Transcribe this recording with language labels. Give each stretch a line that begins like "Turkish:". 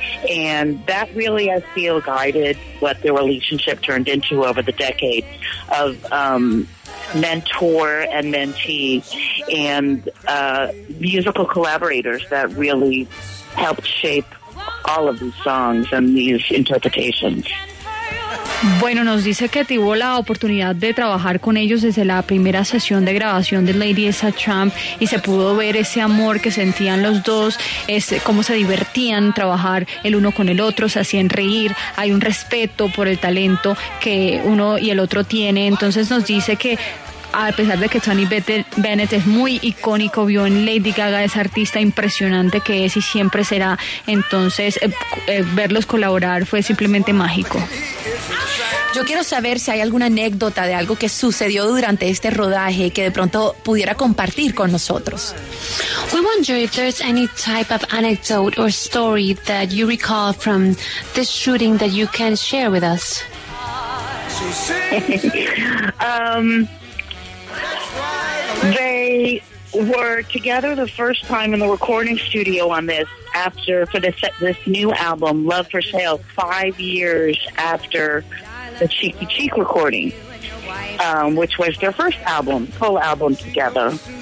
English: And that really, I feel, guided what their relationship turned into over the decades of mentor and mentee and musical collaborators that really helped shape all of these songs and these interpretations.
Spanish: Bueno, nos dice que tuvo la oportunidad de trabajar con ellos desde la primera sesión de grabación de Lady is a Tramp, y se pudo ver ese amor que sentían los dos, cómo se divertían trabajar el uno con el otro, se hacían reír, hay un respeto por el talento que uno y el otro tiene. Entonces nos dice que a pesar de que Tony Bennett es muy icónico, vio en Lady Gaga esa artista impresionante que es y siempre será, entonces verlos colaborar fue simplemente mágico. Yo quiero saber si hay alguna anécdota de algo que sucedió durante este rodaje que de pronto pudiera compartir con nosotros.
English: We wonder if there's any type of anecdote or story that you recall from this shooting that you can share with us. They were together the first time in the recording studio on this after for this new album, Love for Sale, 5 years after the Cheek to Cheek recording, which was their first album, full album together.